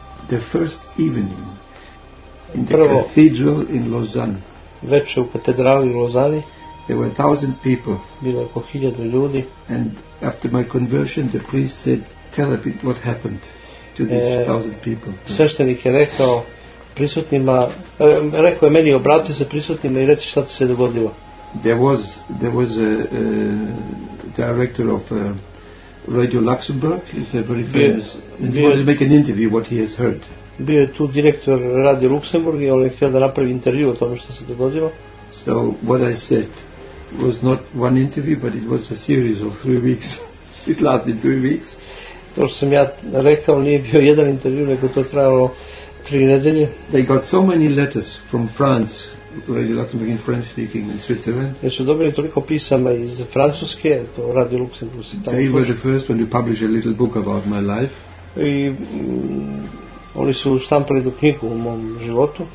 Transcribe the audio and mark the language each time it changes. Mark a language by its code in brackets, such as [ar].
[en] The first evening in the [sr] Prvo, [en] cathedral in Lausanne. [sr] Večer u katedrali u Lozani. [en] There were 1,000 people. [sr] Bilo oko 1,000 ljudi. [en] And after my conversion, the priest said, "Tell a bit what happened to these 1,000 people." [sr] Sveštenik je rekao prisutnima, rekao je meni, obrati se prisutnima i reci šta se dogodilo. [en] There was a director of Radio Luxembourg. He's a very famous. And he wanted to make an interview what he has heard. [sr] Bio je tu direktor Radio Luxembourg i on je htio da napravi intervju o tome što se dogodilo. [en] So what I said was not one interview, but it was a series of 3 weeks. It lasted 3 weeks. [sr] To što sam ja rekao nije bio jedan intervju, nego to trajalo 3 nedelje. [en] They got so many letters from France, Radio Luxembourg in French speaking, in Switzerland. [sr] Jer su dobili toliko pisama iz Francuske, to Radio Luxembourg. [en] They were the first one to publish a little book about my life. [sr] I oni su štampali tu knjigu u mom životu.